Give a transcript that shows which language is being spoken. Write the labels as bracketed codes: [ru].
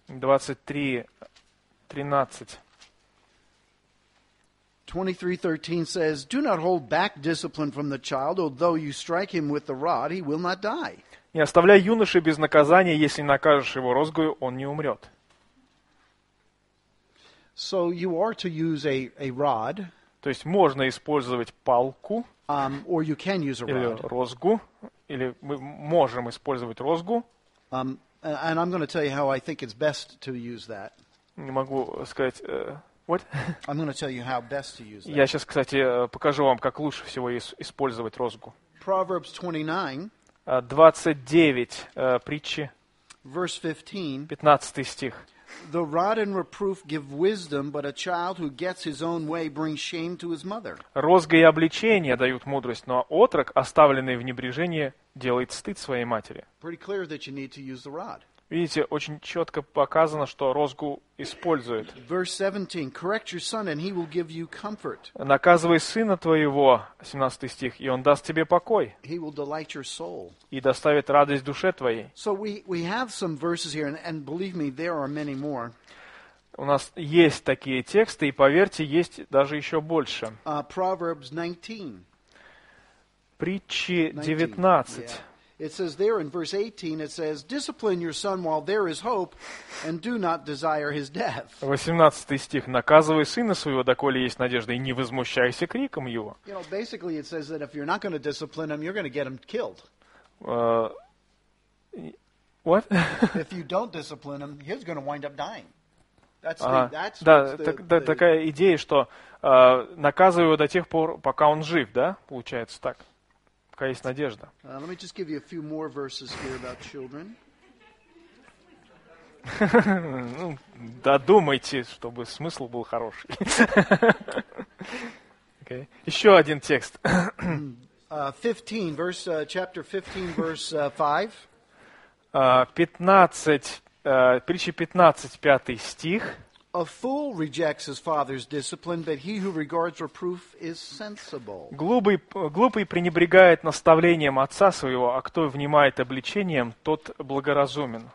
[en] 23:13 says, "Do not hold back discipline from the child, although you strike him with the rod, he will not die." [ru] Не оставляй юноши без наказания, если накажешь его розгою, он не умрет. [en] So you are to use a rod. [ru] То есть можно использовать палку. [en] Or you can use a rod. [ru] Или розгу. Или мы можем использовать розгу. [en] And I'm going to tell you how I think it's best to use that. [ru] Не могу сказать... [en] What? I'm going to tell you how best to use that. [ru] Я сейчас, кстати, покажу вам, как лучше всего использовать розгу. [en] Proverbs 29. [ru] 29 притчи. [en] Verse 15. [ru] 15 стих. [en] The rod and reproof give wisdom, but a child who gets his own way brings shame to his mother. [ru] Розга и обличение дают мудрость, но отрок, оставленный в небрежении, делает стыд своей матери. [en] Pretty clear that you need to use the rod. [ru] Видите, очень четко показано, что розгу использует. [en] Verse 17. Correct your son, and he will give you comfort. [ru] Наказывай сына твоего, 17 стих, и он даст тебе покой. [en] He will delight your soul. [ru] И доставит радость душе твоей. [en] So we have some verses here, and believe me, there are many more. [ru] У нас есть такие тексты, и поверьте, есть даже еще больше. [en] Proverbs 19. [ru] Притчи 19. [en] It says there in verse 18, it says, discipline your son while there is hope, and do not desire his death. [ru] 18 стих. Наказывай сына своего, доколе есть надежда, и не возмущайся криком его. [en] You know, basically it says that if you're not going to discipline him, you're going to get him killed. What? If you don't discipline him, he's going to wind up dying. [ru] Такая идея, что наказывай его до тех пор, пока он жив, да? Получается так. Пока есть надежда. [en] Let me just give you a few more verses here about children. [ru] Ну, додумайте, чтобы смысл был хороший. Okay. Еще один текст. [en] 15, verse, chapter 15, verse 5. [ru] 15, притча 15, 5 стих. [en] A fool rejects his father's discipline, but he who regards reproof is sensible. [ru] Глупый пренебрегает наставлением отца своего, а кто внимает обличением, тот благоразумен.